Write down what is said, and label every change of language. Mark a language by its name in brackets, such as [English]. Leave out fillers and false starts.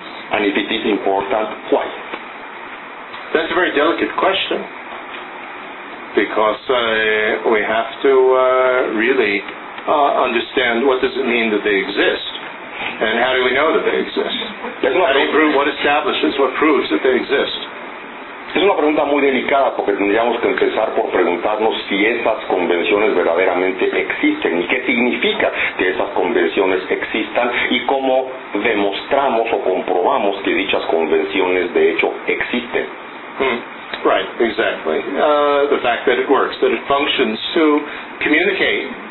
[English] And if it is important, why? That's a very delicate question. Because we have to understand what does it mean that they exist? And how do we know that they exist? What establishes, what proves that they exist? [Spanish] Es una pregunta muy delicada porque tendríamos que empezar por preguntarnos si esas convenciones verdaderamente existen y qué significa que esas convenciones existan y cómo demostramos o comprobamos que dichas convenciones de hecho existen. [English] Right, exactly. The fact that it works, that it functions to communicate.